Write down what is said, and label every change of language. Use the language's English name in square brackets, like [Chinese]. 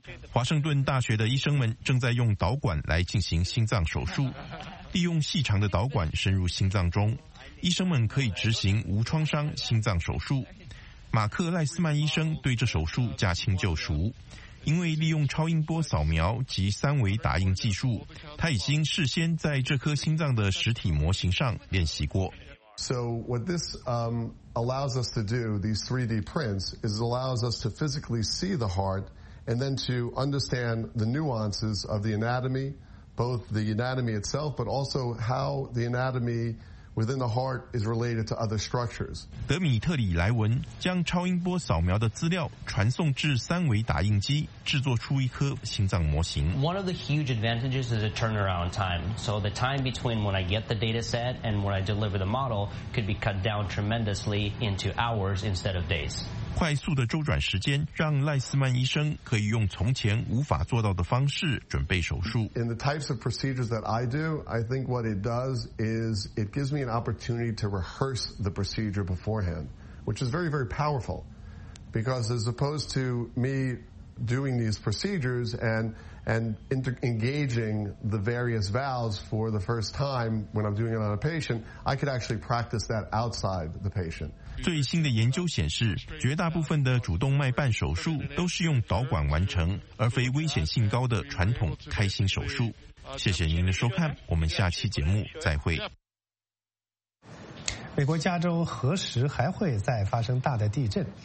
[Chinese] 华盛顿大学的医生们正在用导管来进行心脏手术，利用细长的导管深入心脏中，医生们可以执行无创伤心脏手术。马克·赖斯曼医生对这手术驾轻就熟，因为利用超音波扫描及三维打印技术，他已经事先在这颗心脏的实体模型上练习过。 [English] So what this allows us to do, these 3D prints, is allows us to physically see the heart. And then to understand the nuances of the anatomy, both the anatomy itself, but also how the anatomy within the heart is related to other structures. [Chinese] 德米特里莱文将超音波扫描的资料传送至三维打印机，制作出一颗心脏模型。 [English] One of the huge advantages is the turnaround time. So the time between when I get the data set and when I deliver the model could be cut down tremendously into hours instead of days. [Chinese] 快速的周转时间让赖斯曼医生可以用从前无法做到的方式准备手术。 [English] In the types of procedures that I do, I think what it does is it gives me an opportunity to rehearse the procedure beforehand, which is very, very powerful. Because as opposed to me doing these procedures and engaging the various valves for the first time when I'm doing it on a patient, I could actually practice that outside the patient. [Chinese] 最新的研究显示，绝大部分的主动脉瓣手术都是用导管完成，而非危险性高的传统开心手术。谢谢您的收看，我们下期节目再会。美国加州何时还会再发生大的地震？